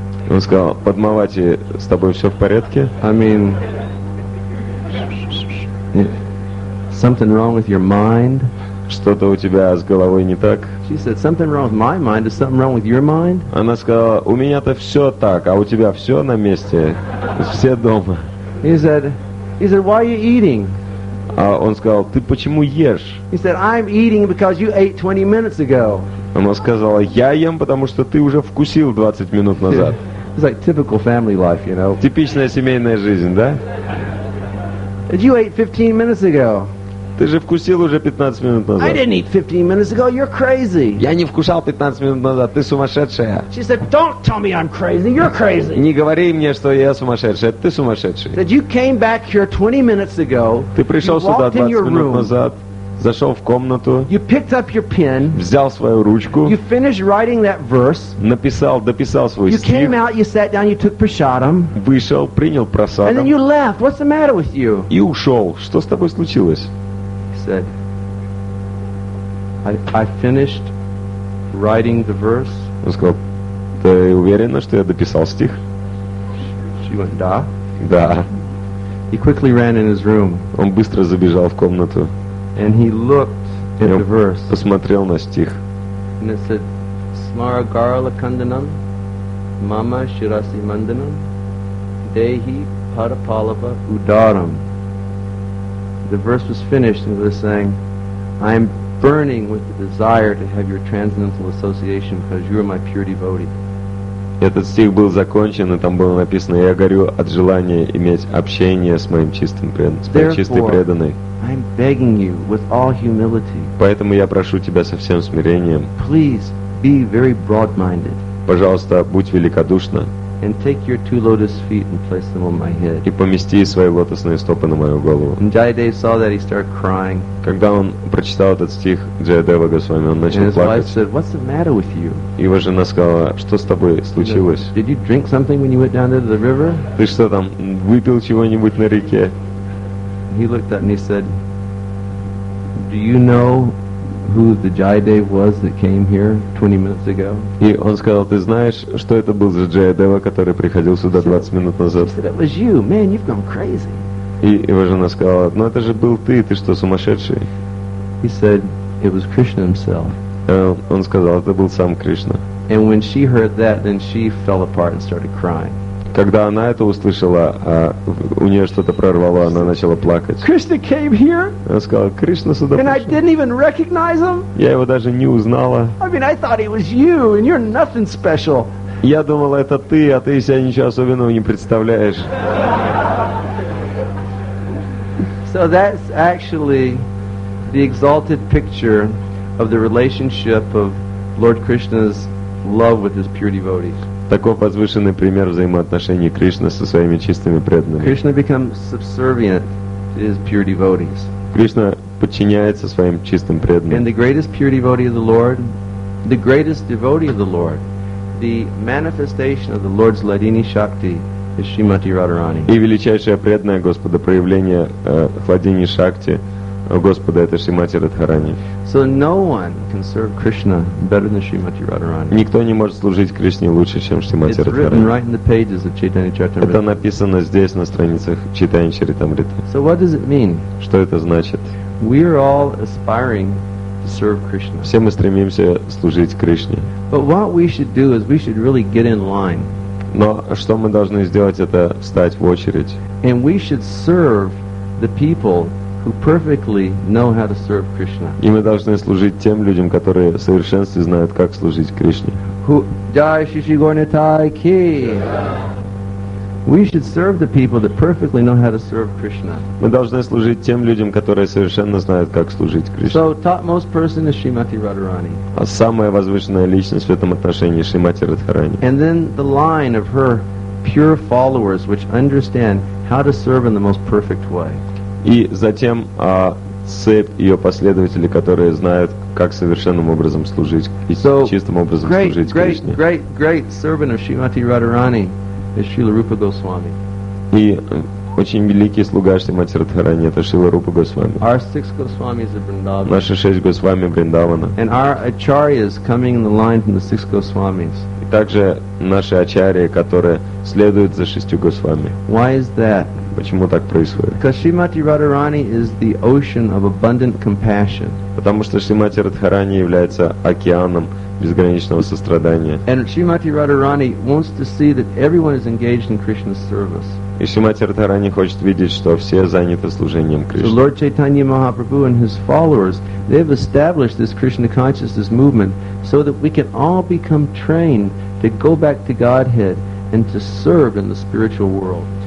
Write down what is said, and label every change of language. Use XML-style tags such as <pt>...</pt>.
<ru>Он сказал: "Падмавати, с тобой все в порядке?"</ru> <en>Something wrong with your mind?</en> <ru>Что-то у тебя с головой не так?</ru> <en>She said, "Something wrong with my mind. Is something wrong with your mind?"</en> <ru>Она сказала: "У меня-то все так, а у тебя все на месте, все дома."</ru> <en>He said, "Why are you eating?"</en> <ru>А он сказал: "Ты почему ешь?"</ru> <en>He said, "I'm eating because you ate 20 minutes ago."</en> <ru>Она сказала: "Я ем, потому что ты уже вкусил 20 минут назад."</ru> <en>It's like typical family life, you know.</en> <ru>Типичная семейная жизнь, да?</ru> <en>You ate 15 minutes ago.</en> <ru>Ты же вкусил уже 15 минут назад.</ru> <en>I didn't eat 15 minutes ago. You're crazy.</en> <ru>Я не вкушал 15 минут назад. Ты сумасшедшая.</ru> <en>She said, "Don't tell me I'm crazy. You're crazy."</en> <ru>Не говори мне, что я сумасшедшая. Ты сумасшедший.</ru> <en>That you came back here 20 minutes ago.</en> <ru>Ты пришел сюда 20</ru> <en>in your</en> <ru>минут</ru> <en>room,</en> <ru>назад. Зашел в комнату.</ru> <en>You picked up your pen.</en> <ru>Взял свою ручку.</ru> <en>You finished writing that verse.</en> <ru>Написал, дописал свой</ru> <en>you</en> <ru>стих.</ru> <en>You came out, you sat down, you took prasadam.</en> <ru>Вышел, принял прасадам.</ru> <en>And then you left. What's the matter with you?</en> <ru>И ушел. Что с тобой случилось?</ru> <en>Said, I finished writing the verse.</en> <ru>Он сказал: "Ты уверена, что я дописал стих?"</ru> <en>She went, "Да."</en> <ru>"Да."</ru> <en>He quickly ran in his room.</en> <ru>Он быстро забежал в комнату.</ru> <en>And he looked at the verse.</en> <ru>Посмотрел на стих.</ru> <en>And it said,</en> <sa>"Smaragarla kandanam, mama shirasi mandanam, dehi parapalava udaram."</sa> <en>The verse was finished and it was saying, "I am burning with the desire to have your transcendental association because you are my pure devotee."</en> <ru>Этот стих был закончен, и там было написано: "Я горю от желания иметь общение с моим чистым преданным."</ru> <en>I'm begging you with all humility.</en> <ru>Поэтому я прошу тебя со всем смирением.</ru> <en>Please be very broad-minded.</en> <ru>Пожалуйста, будь великодушна.</ru> <en>And take your two lotus feet and place them on my head.</en> <ru>И помести свои лотосные стопы на мою голову.</ru> <en>And Jayadeva saw that, he started crying.</en> <ru>Когда он прочитал этот стих Джаядева Госвами, он начал плакать.</ru> <en>And his wife said, "What's the matter with you?"</en> <ru>Его жена сказала: "Что с тобой случилось?"</ru> <en>Did you drink something when you went down to the river?</en> <ru>Ты что там выпил чего-нибудь на реке?</ru> <en>He looked at me and said, "Do you know who the Jayadev was that came here 20 minutes ago?"</en> <ru>И он сказал: "Ты знаешь, что это был за Джаядева, который приходил сюда 20 минут назад?"</ru> <en>He said, "It was you, man. You've gone crazy."</en> <ru>И его жена сказала: "Ну это же был ты. Ты что, сумасшедший?"</ru> <en>He said, "It was Krishna himself."</en> <ru>Он сказал: "Это был сам Кришна."</ru> <en>And when she heard that, then she fell apart and started crying.</en> <ru>Когда она это услышала, у нее что-то прорвало, она начала плакать.</ru> <en>Krishna came here.</en> <ru>Она сказала: "Кришна сюда пришел."</ru> <en>And I didn't even recognize him.</en> <ru>Я его даже не узнала.</ru> <en>I mean, I thought it was you, and you're nothing special.</en> <ru>Я думала, это ты, а ты себя ничего особенного не представляешь.</ru> <en>So that's actually the exalted picture of the relationship of Lord Krishna's love with his pure devotees.</en> <ru>Таков возвышенный пример взаимоотношений Кришны со своими чистыми преданными.</ru> <en>Krishna becomes subservient to his pure devotees.</en> <ru>Кришна подчиняется своим чистым преданным.</ru> <en>And the greatest pure devotee of the Lord, the greatest devotee of the Lord, the manifestation of the Lord's Ladini Shakti is Shrimati Radharani.</en> <ru>И величайшее преданное Господа проявление Ладини Шакти Господа это Шримати Радхарани.</ru> <en>So no one can serve Krishna better than Shrimati Radharani.</en> <ru>Никто не может служить Кришне лучше, чем Шримати Радхарани.</ru> <en>It's written right in the pages of Chaitanya Charitamrita.</en> <ru>Это написано здесь на страницах Чайтанья Чаритамриты.</ru> <en>So what does it mean?</en> <ru>Что это значит?</ru> <en>We are all aspiring to serve Krishna.</en> <ru>Все мы стремимся служить Кришне.</ru> <en>But what we should do is we should really get in line.</en> <ru>Но что мы должны сделать, это встать в очередь.</ru> <en>And we should serve the people who perfectly know how to serve Krishna.</en> <ru>И мы должны служить тем людям, которые в совершенстве знают, как служить Кришне.</ru> <hi>Who Jai Shri Shri Gaur Nitai Ki.</hi> <en>We should serve the people that perfectly know how to serve Krishna.</en> <ru>Мы должны служить тем людям, которые совершенно знают, как служить Кришне.</ru> <en>So topmost person is Shrimati Radharani.</en> <ru>А самая возвышенная личность в этом отношении Шримати Радхарани.</ru> <en>And then the line of her pure followers, which understand how to serve in the most perfect way.</en> <ru>И затем цепь ее последователей, которые знают, как совершенным образом служить и чистым образом служить Кришне.</ru> <en>Great servant of Shrimati Radharani is Srila Rupa Goswami.</en> <ru>И очень великий слуга Шримати Радхарани это Шрила Рупа Госвами.</ru> <en>Our six Goswamis of Vrindavan.</en> <ru>Наши шесть Госвами Вриндавана.</ru> <en>And our acharyas coming in the line from the six Goswamis.</en> <ru>И также наши ачарьи, которые следуют за шестью Госвами.</ru> <en>Why is that?</en> <ru>Почему так происходит?</ru> <en>Because Shrimati Radharani is the ocean of abundant compassion.</en> <ru>Потому что Шримати Радхарани является океаном безграничного сострадания.</ru> <en>And Shrimati Radharani wants to see that everyone is engaged in Krishna's service.</en> <ru>И Шримати Радхарани хочет видеть, что все заняты служением Кришне.</ru> <en>So Lord Chaitanya Mahaprabhu and his followers, they've established this Krishna consciousness movement so that we can all become trained to go back to Godhead and to serve in the spiritual world.</en>